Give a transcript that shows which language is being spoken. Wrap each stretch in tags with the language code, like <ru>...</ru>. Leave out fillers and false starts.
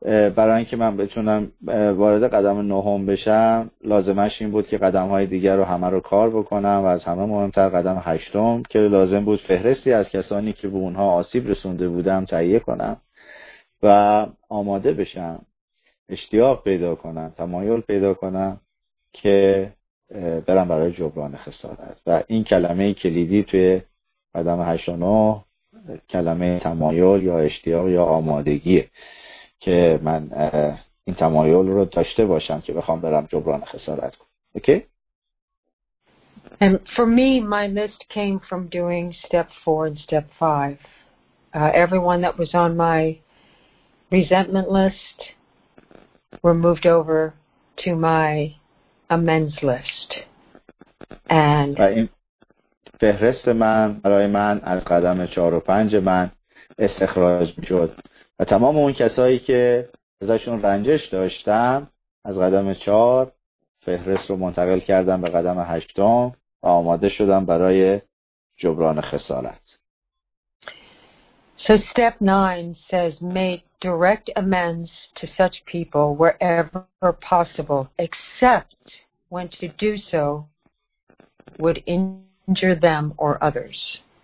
<fa>برای اینکه من بتونم وارد قدم نهم بشم لازمش این بود که قدم های دیگر رو همه رو کار بکنم و از همه مهمتر قدم هشتم که لازم بود فهرستی از کسانی که به اونها آسیب رسونده بودم تهیه کنم و آماده بشم، اشتیاق پیدا کنم، تمایل پیدا کنم که برم برای جبران خسارت. و این کلمه کلیدی توی قدم هشت و نه کلمه تمایل یا اشتیاق یا آمادگیه که من این تمایل رو داشته باشم که بخوام برم جبران خسارت کنم.</fa> <en>Okay? And for me, my list came from doing step 4 and step 5. Everyone that was on my resentment list were moved over to my amends list. And</en> <fa>فهرست من برای من از قدم 4 و 5 من استخراج می‌شد. و تمام اون کسایی که ازشون رنجش داشتم از قدم 4 فهرست رو منتقل کردم به قدم 8 و آماده شدم برای جبران خسارت.</fa> <en>So step 9 says make direct amends to such people wherever possible except when to do so would injure them or others.</en>